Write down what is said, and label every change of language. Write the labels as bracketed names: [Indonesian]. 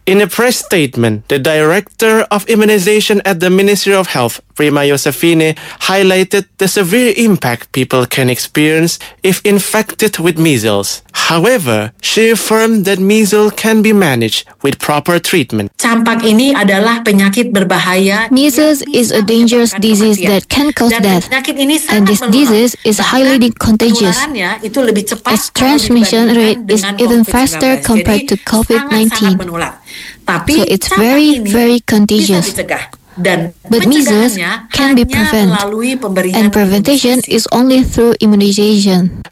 [English] In a press statement, the Director of Immunization at the Ministry of Health, Prima Yosefine, highlighted the severe impact people can experience if infected with measles. However, she affirmed that measles can be managed with proper treatment. [Indonesian] Campak ini adalah penyakit berbahaya. [English] Measles is a dangerous disease that can cause death. And this disease is highly contagious. Its transmission rate is even faster compared to COVID-19. So it's very, very contagious. But measles can be prevented, and prevention is only through immunization.